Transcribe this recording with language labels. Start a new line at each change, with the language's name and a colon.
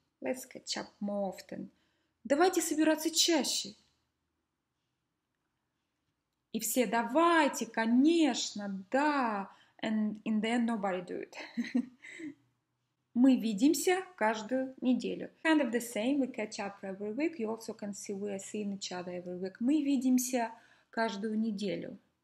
English: Let's catch up more often.
Russian: Давайте собираться чаще. И все, давайте, конечно, да.
English: And in the end, nobody do it.
Russian: Мы видимся каждую неделю.
English: Kind of the same, we catch up every week. You also can see we are seeing each other every week.
Russian: Мы видимся каждую неделю.